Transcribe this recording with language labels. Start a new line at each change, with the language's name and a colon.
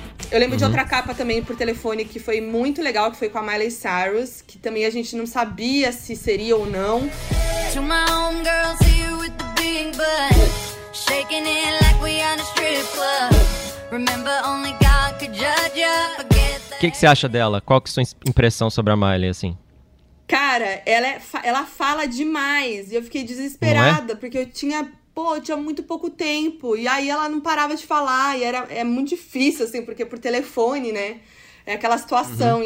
Portuguese: Eu lembro de outra capa também por telefone que foi muito legal, que foi com a Miley Cyrus, que também a gente não sabia se seria ou não.
English: To my home girls here with the big butt, shaking it like we on a strip club. Remember only God could judge ya.
Portuguese: O que você acha dela? Qual que é a sua impressão sobre a Miley, assim? Cara, ela fala demais. E eu fiquei desesperada, porque eu tinha muito pouco tempo. E aí ela não parava de falar. E é muito difícil, assim, porque por telefone, né? É aquela situação. Uhum.